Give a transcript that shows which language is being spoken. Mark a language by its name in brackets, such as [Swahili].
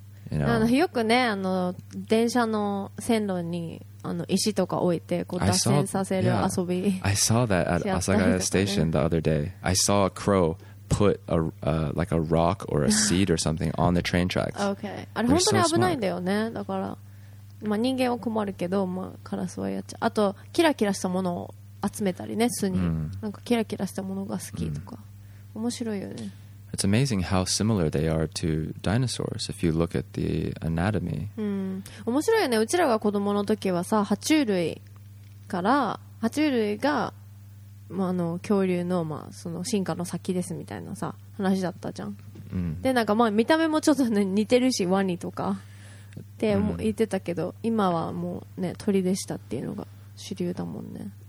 [English] You know, [Japanese] よくねあの電車の線路にあの石とか置いてこう脱線させる遊び。 [English] I saw that at Asagaya Station the other day. I saw a crow put a like a rock or a seed or something on the train tracks. Okay. [Japanese] あれ本当に危ないんだよね。だから、まあ、人間は困るけど、まあ、カラスはやっちゃう。あとキラキラしたものを集めたりね、巣に。なんかキラキラしたものが好きとか、面白いよね。 [English] It's amazing how similar they are to dinosaurs if you look at the anatomy. [Japanese] 面白いよね。うちらが子供の時はさ、爬虫類から、爬虫類が、まあ、あの恐竜 の,、まあ、その進化の先ですみたいなさ、話だったじゃん。で、なんかまあ見た目もちょっと、ね、似てるし、ワニとかって言ってたけど、今はもうね、鳥でしたっていうのが主流だもんね。